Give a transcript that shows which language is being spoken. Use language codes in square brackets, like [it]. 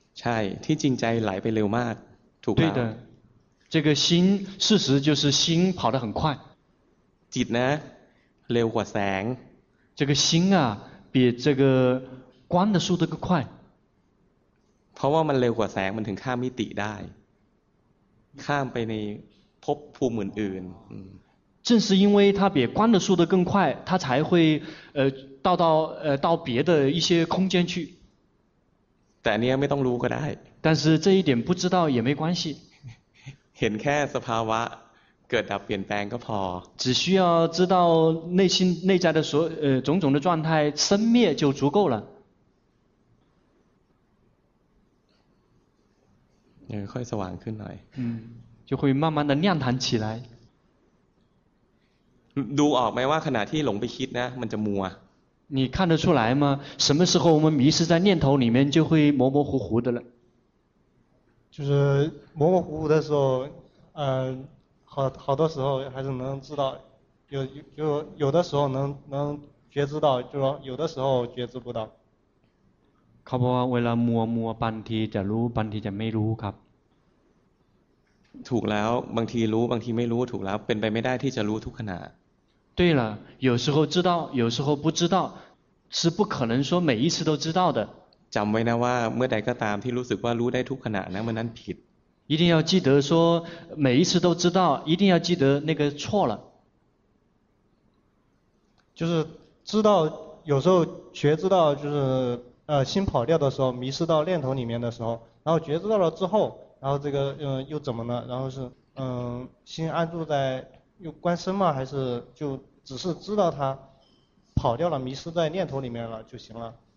[th] ใช่ที่จริงใจไหลไปเร็วมากถูก แล้ว [zh] 这个心事实就是心跑得很快 [th] จิตนะเร็วกว่าแสง [zh] 这个心啊比这个光的速度更快 [th] เพราะว่ามันเร็วกว่าแสงมันถึงข้ามมิติได้ข้ามไปในภพภูมิอื่น [zh] ๆ正是因为它比光的速度更快它才会到别的一些空间去 [th] แต่เนี้ยไม่ต้องรู้ก็ได้ [zh] 但是这一点不知道也没关系 [th] เห็นแค่สภาวะเกิดดับเปลี่ยนแปลงก็พอ [zh] 只需要知道内心内在的所种种的状态生灭就足够了 [th] ค่อยสว่างขึ้นหน่อย [zh] 就会慢慢的亮堂起来 [th] ดูออกไหมว่าขณะที่หลงไปคิดนะมันจะมัว [zh] 你看得出来吗什么时候我们迷失在念头里面就会模模糊糊的了就是模模糊糊的时候，好多时候还是能知道，有的时候能觉知到，就说有的时候觉知不到。 [th] เขาบอกว่าเวลามัวมัวบางทีจะรู้บางทีจะไม่รู้ครับ ถูกแล้วบางทีรู้บางทีไม่รู้ถูกแล้วเป็นไปไม่ได้ที่จะรู้ทุกขณะ [zh] 对了有时候知道有时候不知道是不可能说每一次都知道的 [th] จำไว้นะว่าเมื่อใดก็ตามที่รู้สึกว่ารู้ได้ทุกขณะนั้นมันนั้นผิด [zh] 一定要记得说每一次都知道一定要记得那个错了就是知道有时候觉知道就是心跑掉的时候迷失到念头里面的时候然后觉知到了之后然后这个又怎么了然后是心安住在又观身吗还是就只是知道它跑掉了迷失在念头里面了就行了